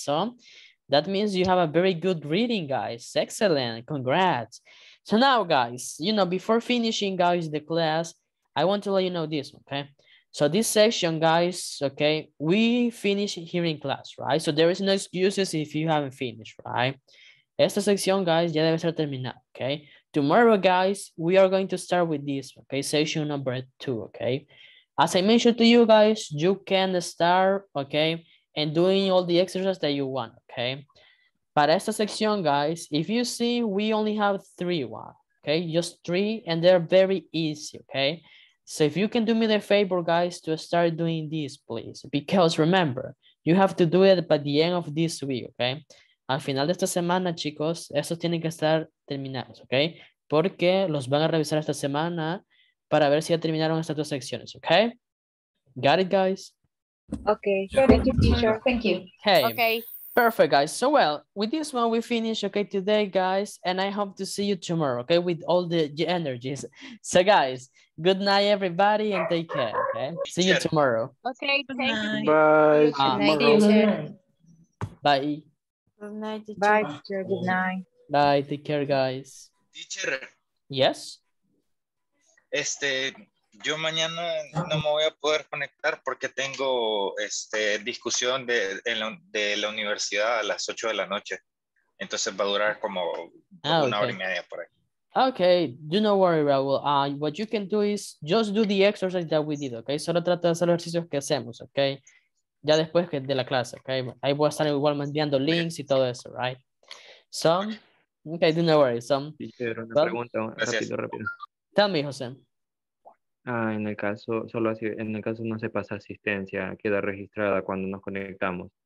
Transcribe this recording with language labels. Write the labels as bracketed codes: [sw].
[en] So that means you have a very good reading, guys. Excellent. Congrats. So now, guys, you know, before finishing, guys, the class, I want to let you know this, okay? So this section, guys, okay, we finish here in class, right? So there is no excuses if you haven't finished, right? [es] Esta sección, guys, ya debe ser terminada, okay? [en] Tomorrow, guys, we are going to start with this, okay? Section number 2, okay? As I mentioned to you guys, you can start, okay, and doing all the exercises that you want, okay? [es] Para esta sección, [en] guys, if you see, we only have 3, one, okay? Just 3, and they're very easy, okay? So if you can do me the favor, guys, to start doing this, please. Because remember, you have to do it by the end of this week, okay? [es] Al final de esta semana, chicos, estos tienen que estar terminados, okay? Porque los van a revisar esta semana para ver si ya terminaron estas dos secciones, okay? [en] Got it, guys? Okay. Thank you, teacher. Thank you. Hey. Okay. Perfect, guys. So, well, with this one, we finish, okay, today, guys. And I hope to see you tomorrow, okay, with all the energies. So, guys, good night, everybody, and take care, okay? See you tomorrow. Okay, thank you. Bye. Good night, teacher. Bye. Good night, teacher. Bye, teacher. Good night. Bye. Take care, guys. Teacher. Yes? [es] Yo mañana no me voy a poder conectar porque tengo discusión de la universidad a las 8 de la noche. Entonces va a durar como una hora y media por ahí. [en] Okay, do not worry, Raúl. What you can do is just do the exercise that we did, okay? [es] Solo trata de hacer los ejercicios que hacemos, okay? Ya después de la clase, okay? Ahí voy a estar igual mandando links y todo eso, right? [en] So, okay, do not worry. So, [es] una pregunta, rápido. [en] Tell me, José. [es] Ah, en el caso, solo así, en el caso no se pasa asistencia, queda registrada cuando nos conectamos.